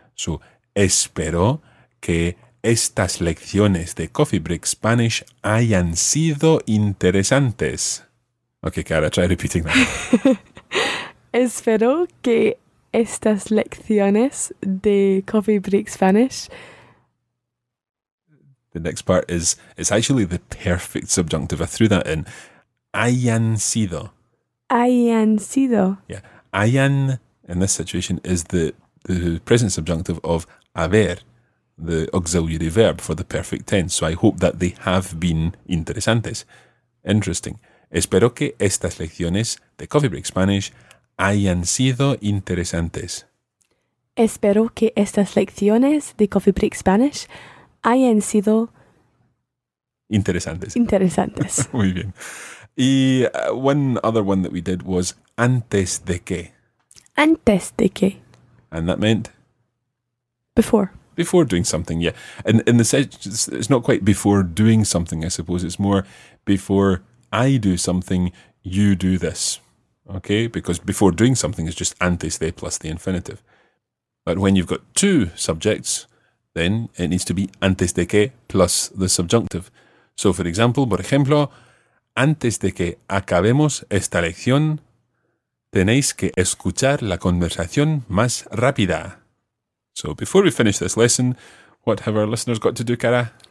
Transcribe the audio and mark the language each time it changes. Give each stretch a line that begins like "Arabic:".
Spanish: So, espero que estas lecciones de Coffee Break Spanish hayan sido interesantes.
English: Okay, Cara, try repeating that.
Spanish: Espero que estas lecciones de Coffee Break Spanish.
English: The next part is, it's actually the perfect subjunctive. I threw that in.
Spanish: Hayan sido. Hayan sido.
English: Yeah. Hayan, in this situation, is the present subjunctive of haber, the auxiliary verb for the perfect tense. So I hope that they have been interesantes. Interesting.
Spanish: Espero que estas lecciones de Coffee Break Spanish hayan sido interesantes. Espero que estas lecciones de Coffee Break Spanish hayan sido interesantes. Interesantes. Muy bien. Y
English: one other one that we did was
Spanish: antes de que. Antes de que.
English: And that meant? Before. Before doing something, yeah. And in the sense, it's not quite before doing something, I suppose. It's more before I do something, you do this. Okay? Because before doing something is just antes de plus the infinitive. But when you've got two subjects, then it needs to be
Spanish: antes de que
English: plus the subjunctive.
Spanish: So,
English: for example,
Spanish: por ejemplo, antes de que acabemos esta lección, tenéis que escuchar la conversación más rápida.
English: So, before we finish this lesson, what have our listeners got to do, Cara?